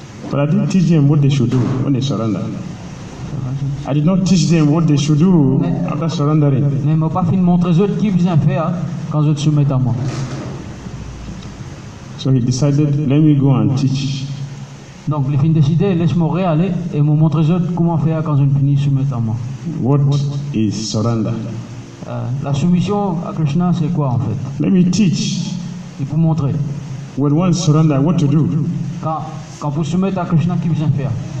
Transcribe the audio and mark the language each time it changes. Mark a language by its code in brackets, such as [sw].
[en] But I didn't teach them what they should do when they surrender. I did not teach them what they should do after surrendering. [fr] Mais m'a pas fini montrer eux qui vient faire quand je soumets à moi. [en] So he decided, let me go and teach. [fr] Donc, il fin décidé, laisse-moi réaller et me montrer autres comment faire quand je finis soumettre à moi. [en] What is surrender? [fr] La soumission à Krishna, c'est quoi en fait? [en] Let me teach. [fr] Et pour montrer. [en] When one surrender, what to do? [fr] Quand vous soumettez à Krishna, qui vient faire?